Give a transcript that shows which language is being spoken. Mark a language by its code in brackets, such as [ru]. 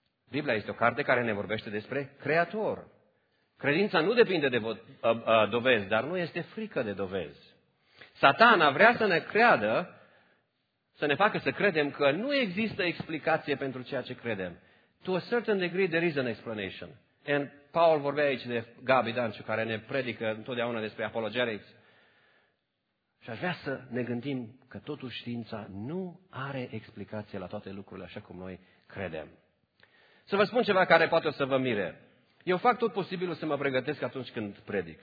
[ro] Biblia este o carte care ne vorbește despre Creator. Credința nu depinde de dovezi, dar nu este frică de dovezi. Satana vrea să ne creadă, să ne facă să credem că nu există explicație pentru ceea ce credem. [en] To a certain degree, there is an explanation. [ro] And Paul vorbea aici de Gabi Danciu, care ne predică întotdeauna despre apologetics. Și aș vrea să ne gândim că totuși știința nu are explicație la toate lucrurile așa cum noi credem. Să vă spun ceva care poate o să vă mire. Eu fac tot posibilul să mă pregătesc atunci când predic.